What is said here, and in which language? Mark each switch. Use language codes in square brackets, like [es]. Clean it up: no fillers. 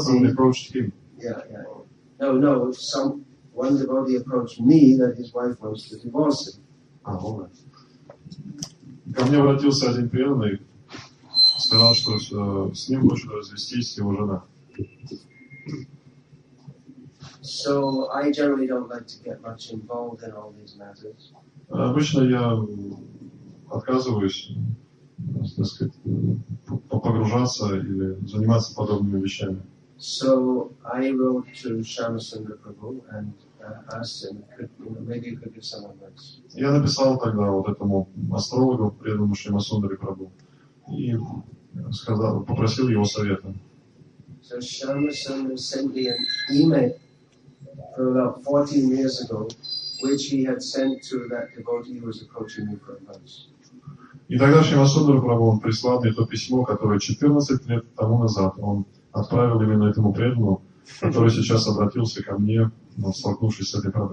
[en] Someone approached him. One devotee approached me that his wife wants to divorce him. Ah, all right. [ru] Ко мне обратился один преданный, сказал, что с ним хочет развестись его жена. [en] So I generally don't like to get much involved in all these matters. [ru] Обычно я отказываюсь, так сказать, погружаться или заниматься подобными вещами. [en] So I wrote to Shyamasundara Prabhu and asked him, maybe you could give some advice. [ru] Я написал тогда вот этому астрологу, преданному Шримасундаре Прабху, и сказал, попросил его совета. [en] So Shyamasundara sent me an email from about 14 years ago, which he had sent to that devotee who was approaching me for advice. [ru] И тогда Шримасундара Прабху прислал мне то письмо, которое 14 лет тому назад он отправил именно этому преданному, который сейчас обратился ко мне, столкнувшись с этой